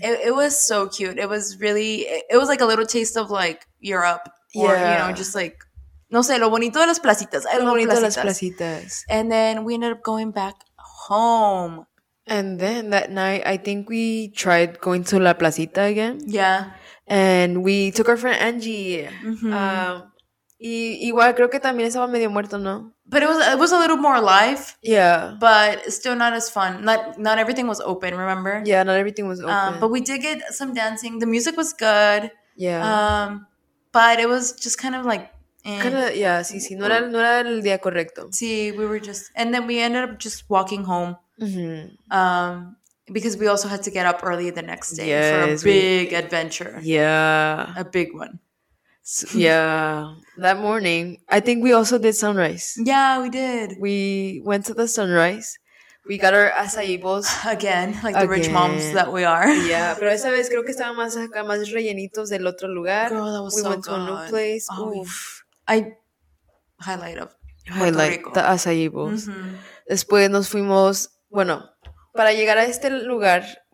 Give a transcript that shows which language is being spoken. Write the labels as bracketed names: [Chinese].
[English] It was so cute. It was really. It was like a little taste of like Europe, or you know, just like [Spanish] no sé, lo bonito de las placitas. Lo bonito de las placitas. [English] And then we ended up going back home. And then that night, I think we tried going to la placita again. Yeah, and we took our friend Angie. Mm-hmm. [Spanish] Y igual creo que también estaba medio muerto, ¿no? [English] But it was a little more alive. Yeah. But still not as fun. Not everything was open, remember? Yeah, not everything was open. But we did get some dancing. The music was good. Yeah. But it was just kind of like... [Spanish] Sí. No era el día correcto. [English] Sí, we were just... And then we ended up just walking home. Mm-hmm. Because we also had to get up early the next day for a big adventure. Yeah. A big one. Yeah, that morning, I think we also did sunrise. Yeah, we did. We went to the sunrise. We got our acai bowls. Again, like the rich moms that we are. [Spanish] Yeah, pero esa vez creo que estaban más acá, más rellenitos del otro lugar. [English] Girl, that was we so went good. To a new place. Oh, oof. Highlight of Puerto Rico. The acai bowls. Mm-hmm. [Spanish] Después nos fuimos, bueno, para llegar a este lugar...